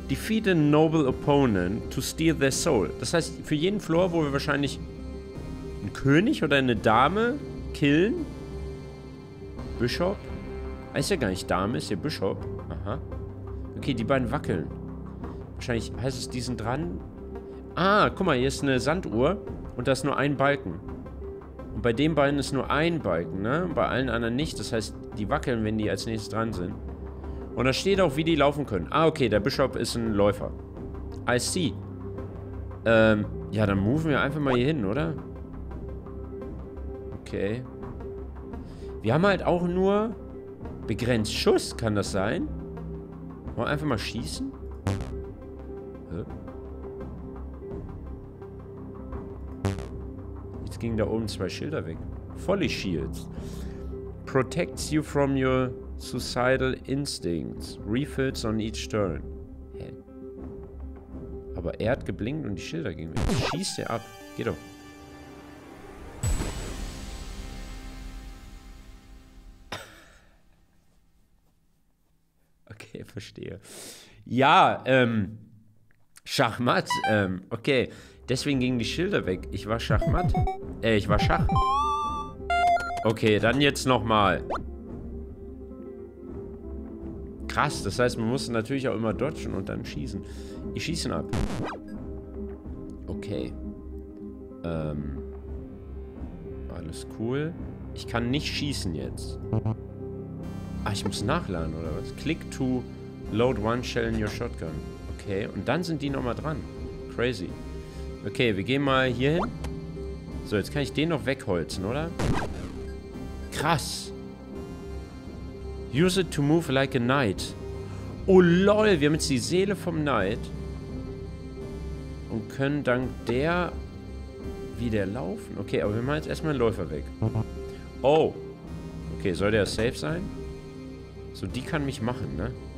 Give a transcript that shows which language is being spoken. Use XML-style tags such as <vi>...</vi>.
<en>Defeat a noble opponent to steal their soul.</en> <de>Das heißt, für jeden Floor, wo wir wahrscheinlich einen König oder eine Dame killen. Bishop. Heißt ja gar nicht Dame, ist ja Bishop. Aha. Okay, die beiden wackeln. Wahrscheinlich heißt es diesen dran. Ah, guck mal, hier ist eine Sanduhr und da ist nur ein Balken. Und bei den beiden ist nur ein Balken, ne? Und bei allen anderen nicht. Das heißt, die wackeln, wenn die als nächstes dran sind. Und da steht auch, wie die laufen können. Ah, okay, der Bishop ist ein Läufer.</de> <en>I see.</en> <de>Ja, dann moven wir einfach mal hier hin, oder? Okay. Wir haben halt auch nur begrenzt Schuss, kann das sein? Wollen wir einfach mal schießen? Hä? Jetzt gingen da oben zwei Schilder weg.</de> <en>Fully shields. Protects you from your suicidal instincts. Refills on each turn. Hä?</en> <de>Aber er hat geblinkt und die Schilder gingen weg. Schießt er ab? Geh doch. Okay, verstehe. Ja, Schachmatt. Okay. Deswegen gingen die Schilder weg. Ich war Schachmatt. Ich war Schach. Okay, dann jetzt nochmal. Krass, das heißt, man muss natürlich auch immer dodgen und dann schießen. Ich schieße ihn ab. Okay. Alles cool. Ich kann nicht schießen jetzt. Ah, ich muss nachladen, oder was?</de> <en>Click to load one shell in your shotgun.</en> <de>Okay, und dann sind die nochmal dran. Crazy. Okay, wir gehen mal hier hin. So, jetzt kann ich den noch wegholzen, oder? Krass.</de> <en>Use it to move like a knight.</en> <de>Oh lol, wir haben jetzt die Seele vom Knight. Und können dank der wieder laufen. Okay, aber wir machen jetzt erstmal einen Läufer weg. Oh. Okay, soll der safe sein? So, die kann mich machen, ne?</de>